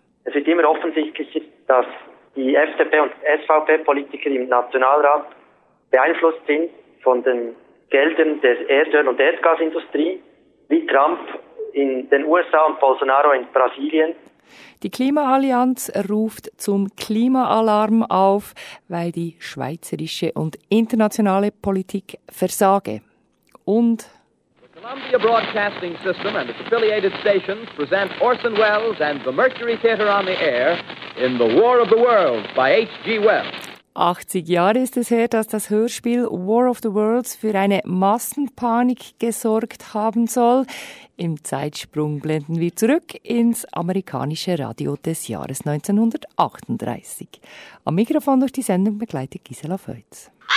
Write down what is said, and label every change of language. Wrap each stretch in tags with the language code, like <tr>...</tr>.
<de>Es wird immer offensichtlich, dass die FDP und SVP-Politiker im Nationalrat beeinflusst sind von den Geldern der Erdöl- und Erdgasindustrie, wie Trump in den USA und Bolsonaro in Brasilien. Die Klimaallianz ruft zum Klimaalarm auf, weil die schweizerische und internationale Politik versage. Und</de> <en>the Columbia Broadcasting System and its affiliated stations present Orson Welles and the Mercury Theater on the air in The War of the Worlds by H.G. Wells.</en> <de>80 Jahre ist es her, dass das Hörspiel War of the Worlds für eine Massenpanik gesorgt haben soll. Im Zeitsprung blenden wir zurück ins amerikanische Radio des Jahres 1938. Am Mikrofon durch die Sendung begleitet Gisela Feutz.</de>